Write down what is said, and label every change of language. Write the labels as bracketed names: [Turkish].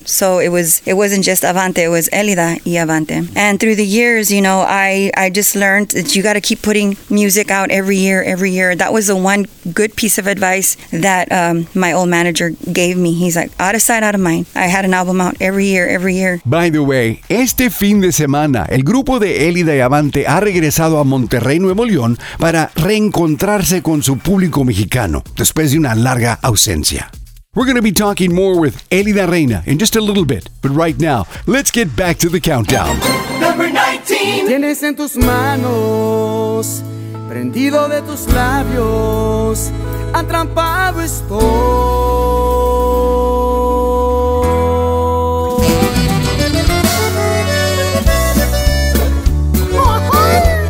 [English] So it wasn't just Avante, it was Elida y Avante. And through the years, you know, I just learned that you got to keep putting music out every year. That was the one good piece of advice that my old manager gave me. He's like, out of sight, out of mind. I had an album out every year. By the way, [Spanish] este fin de semana, el grupo de Elida y Avante ha regresado a Monterrey, Nuevo León, para reencontrarse con su público mexicano después de una larga ausencia. [English] We're going to be talking more with Elida Reina in just a little bit, but right now, let's get back to the countdown. Number 19. [Spanish] Tienes en tus manos, prendido de tus labios, atrapado estoy. ¡Oh, oh!